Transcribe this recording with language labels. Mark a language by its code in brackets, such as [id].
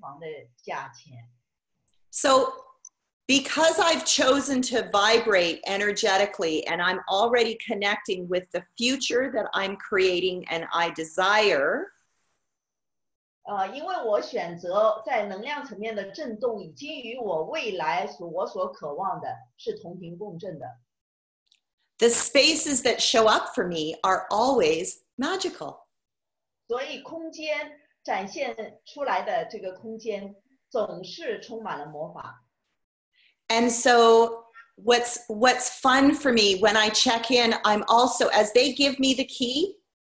[zh] 那酒店前台就会说，啊，我们有这个一般的房间是这个价钱，但是我们会给你这个套间，也是这个普通房的价钱。So, [en] because I've chosen to vibrate energetically, and I'm already connecting with the future that I'm creating and I desire. [zh] 因为我选择在能量层面的震动已经与我未来所渴望的是同频共振的。The [en] spaces that show up for me are always magical. [zh] 所以空间展现出来的这个空间总是充满了魔法。And [en] so what's fun for me when I check in, I'm also, as they give me the key,